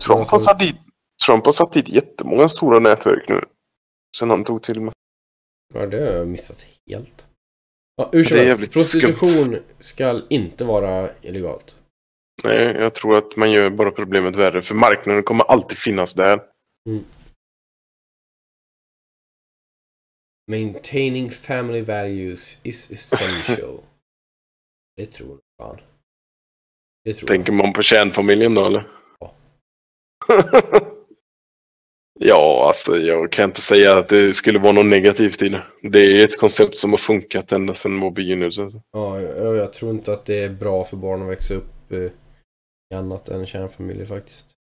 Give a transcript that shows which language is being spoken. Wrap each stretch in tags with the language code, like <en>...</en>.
<sv>Trump har satt dit jättemånga stora nätverk nu. Sen han tog till mig. Ja, det har jag missat helt. Ja, ursäkta. Prostitution ska inte vara illegalt. Nej, jag tror att man gör bara problemet värre. För marknaden kommer alltid finnas där. Mm.</sv> <en>Maintaining family values is essential.</en> <sv>Det tror du fan. Det tror Tänker jag. Man på kärnfamiljen då eller? Ja. Ja, alltså jag kan inte säga att det skulle vara något negativt i det. Det är ett koncept som har funkat ända sedan vår begynnelse. Ja, jag tror inte att det är bra för barn att växa upp i annat än kärnfamilj faktiskt.</sv>